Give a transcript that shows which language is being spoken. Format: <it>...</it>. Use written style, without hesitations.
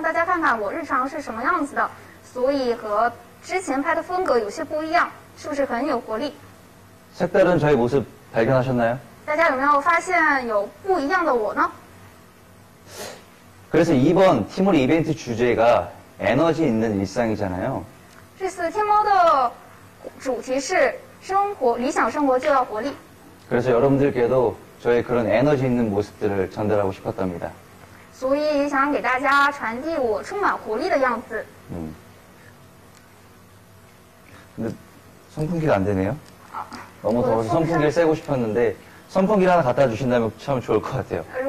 <zh>然后这次拍天猫全明星视频的时候想大家看看让大家看看我日常是什么样子的所以和 之前拍的风格有些不一样，是不是很有活力?</zh> <ko>색다른 저의 모습 발견하셨나요?</ko> <zh>大家有没有发现有不一样的我呢?</zh> <ko>그래서 이번 티몰 이벤트 주제가 에너지 있는 일상이잖아요.</ko> <zh>这次天猫的主题是生活，理想生活就要活力。</zh> <ko>그래서 여러분들께도 저의 그런 에너지 있는 모습들을 전달하고 싶었답니다.</ko> <zh>所以想给大家传递我充满活力的样子。</zh> <ko>근데 선풍기가 안 되네요. 너무 더워서 선풍기를 쐬고 싶었는데 선풍기를 하나 갖다 주신다면 참 좋을 것 같아요.</ko>